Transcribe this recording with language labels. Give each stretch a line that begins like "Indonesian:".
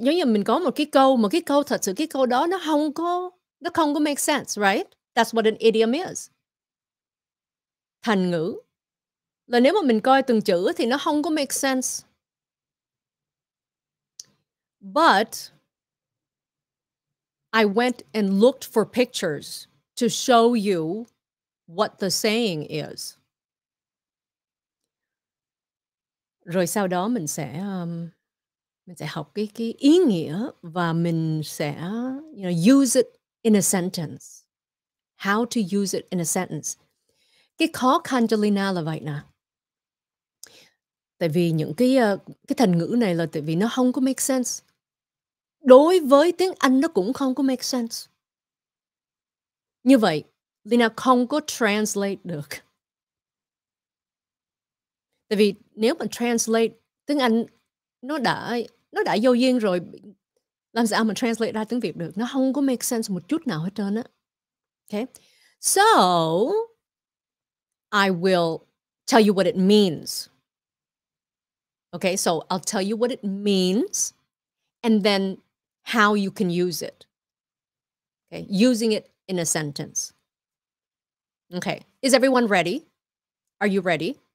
Vietnamese: Giống như mình có một cái câu, mà cái câu thật sự cái câu đó nó không có make sense, right?
English: That's what an idiom is. Thành ngữ.
Vietnamese: Là nếu mà mình coi từng chữ thì nó không có make sense.
English: But I went and looked for pictures to show you what the saying is.
Vietnamese: Rồi sau đó mình sẽ học cái ý nghĩa và mình sẽ
English: use it in a sentence. How to use it in a sentence.
Vietnamese: Cái khó khăn cho Leyna là vậy nè. Tại vì những cái thành ngữ này là tại vì nó không có make sense. Đối với tiếng Anh nó cũng không có make sense. Như vậy, Leyna không có translate được. Tại vì nếu mà translate tiếng Anh nó đã vô duyên rồi, làm sao mà translate ra tiếng Việt được? Nó không có make sense một chút nào hết trơn á.
English: Okay. So I will tell you what it means. Okay, so I'll tell you what it means and then how you can use it. Okay, using it in a sentence. Okay, is everyone ready? Are you ready?